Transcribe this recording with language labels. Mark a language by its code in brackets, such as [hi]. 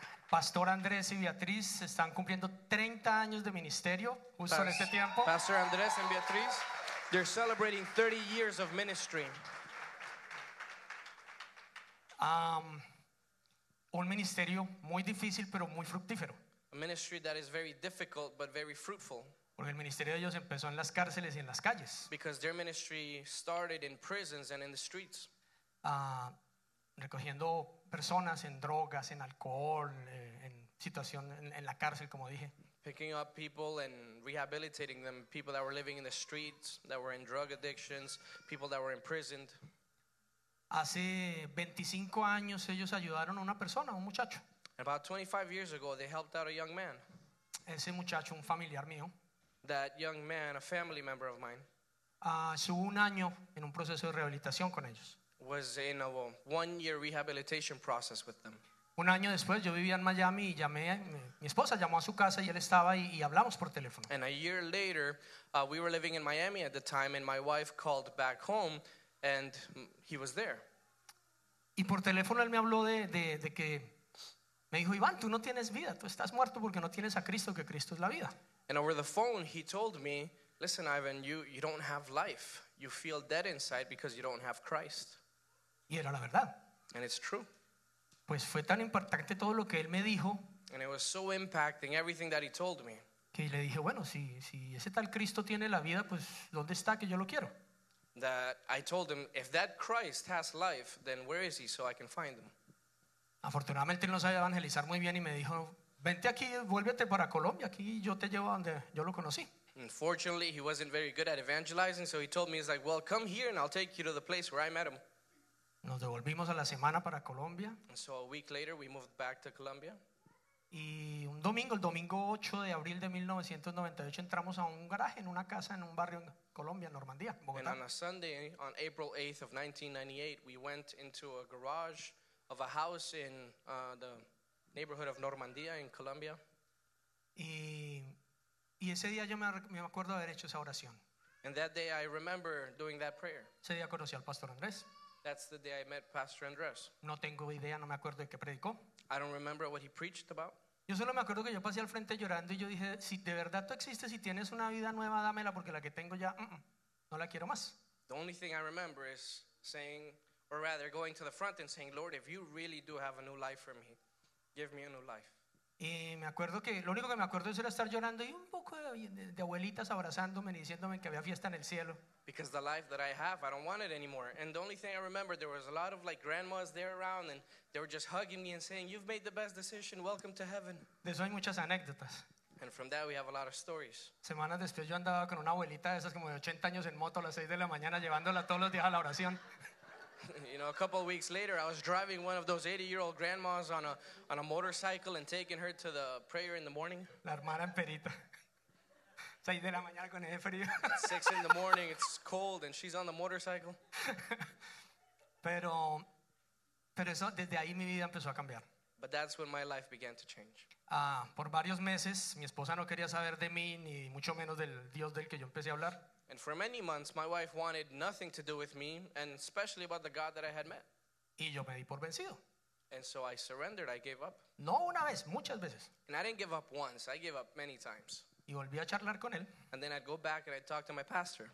[es] Pastor Andrés y Beatriz están cumpliendo 30 años de ministerio justo en este tiempo. [en] Pastor Andrés and Beatriz, they're celebrating 30 years of ministry. [es] Un ministerio muy difícil pero muy fructífero. [en] A ministry that is very difficult but very fruitful. [es] Porque el ministerio de ellos empezó en las cárceles y en las calles. [en] Because their ministry started in prisons and in the streets. [es] Recogiendo personas en drogas, en alcohol, en situación en la cárcel, como dije. [en] Picking up people and rehabilitating them, people that were living in the streets, that were in drug addictions, people that were imprisoned. [es] Hace 25 años ellos ayudaron a una persona, un muchacho. [en] About 25 years ago they helped out a young man. [es] Ese muchacho, un familiar mío. [en] That young man, a family member of mine. [es] Estuvo un año en un proceso de rehabilitación con ellos. [en] Was in a one-year rehabilitation process with them. [es] Un año después yo vivía en Miami y llamé, mi esposa llamó a su casa y él estaba ahí y hablamos por teléfono. [en] And a year later, we were living in Miami at the time and my wife called back home. And he was there. [es] Y por teléfono él me habló de que me dijo, Iván, tú no tienes vida, tú estás muerto porque no tienes a Cristo, que Cristo es la vida. [en] And over the phone he told me, listen, Ivan, you don't have life. You feel dead inside because you don't have Christ. [es] Y era la verdad. [en] And it's true. [es] Pues fue tan impactante todo lo que él me dijo. [en] And it was so impacting everything that he told me. [es] Que le dije, bueno, si ese tal Cristo tiene la vida, pues ¿dónde está que yo lo quiero? [en] That I told him, if that Christ has life, then where is he so I can find him? [es] Afortunadamente, él no sabía evangelizar muy bien y me dijo, vente aquí, vuélvete para Colombia, aquí yo te llevo donde yo lo conocí. [en] Unfortunately, he wasn't very good at evangelizing, so he told me, he's like, well, come here and I'll take you to the place where I met him. [es] Nos devolvimos a la semana para Colombia. [en] And so a week later, we moved back to Colombia. [es] Y un domingo, el domingo 8 de abril de 1998, entramos a un garaje en una casa en un barrio en Colombia, Normandía, Bogotá. [en] And on a Sunday, on April 8th of 1998, we went into a garage of a house in the neighborhood of Normandía in Colombia. [es] Y ese día yo me acuerdo haber hecho esa oración. [en] And that day I remember doing that prayer. [es] Ese día conocí al Pastor Andrés. [en] That's the day I met Pastor Andrés. [es] No tengo idea, no me acuerdo de qué predicó. [en] I don't remember what he preached about. [es] Yo solo me acuerdo que yo pasé al frente llorando y yo dije, si de verdad tú existes, si tienes una vida nueva, dámela, porque la que tengo ya, no la quiero más. [en] The only thing I remember is saying, or rather going to the front and saying, Lord, if you really do have a new life for me, give me a new life. [es] Y me acuerdo que lo único que me acuerdo es era estar llorando y un poco de abuelitas abrazándome y diciéndome que había fiesta en el cielo. [en] Because the life that I have, I don't want it anymore. And the only thing I remember, there was a lot of like grandmas there around and they were just hugging me and saying, you've made the best decision, welcome to heaven. [es] De eso hay muchas anécdotas. [en] And from that we have a lot of stories. [es] Semanas después yo andaba con una abuelita de esas como de 80 años en moto a las 6 de la mañana llevándola todos los días a la oración. [en] You know, a couple of weeks later, I was driving one of those 80-year-old grandmas on a motorcycle and taking her to the prayer in the morning. [es] La hermana en perita. 6 de la mañana con ese frío. [en] 6 in the morning, it's cold, and she's on the motorcycle. [es] Pero eso, desde ahí mi vida empezó a cambiar. [en] But that's when my life began to change. [es] Por varios meses, mi esposa no quería saber de mí, ni mucho menos del Dios del que yo empecé a hablar. [en] And for many months, my wife wanted nothing to do with me, and especially about the God that I had met. [es] Y yo me di por vencido. [en] And so I surrendered, I gave up. [es] No una vez, muchas veces. [en] And I didn't give up once, I gave up many times. [es] Y volví a charlar con él. [en] And then I'd go back and I'd talk to my pastor.